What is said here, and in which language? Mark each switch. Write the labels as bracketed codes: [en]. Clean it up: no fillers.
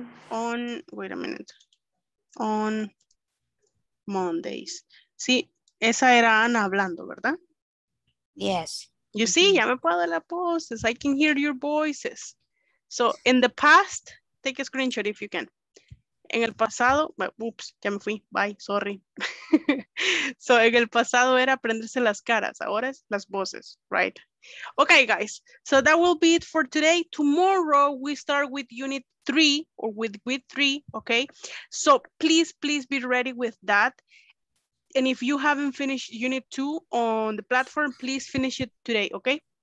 [en] On, wait a minute. On Mondays. [es] Sí, esa era Ana hablando, ¿verdad? [en] Yes. You see, [es] ya me puedo la poses. [en] I can hear your voices. So in the past, take a screenshot if you can. [es] En el pasado, oops, ya me fui. [en] Bye, sorry. [es] So en el pasado era aprenderse las caras. Ahora es las voces, [en] right? Okay, guys. So that will be it for today. Tomorrow, we start with unit three or with week three, okay? So please, please be ready with that. And if you haven't finished unit two on the platform, please finish it today, okay?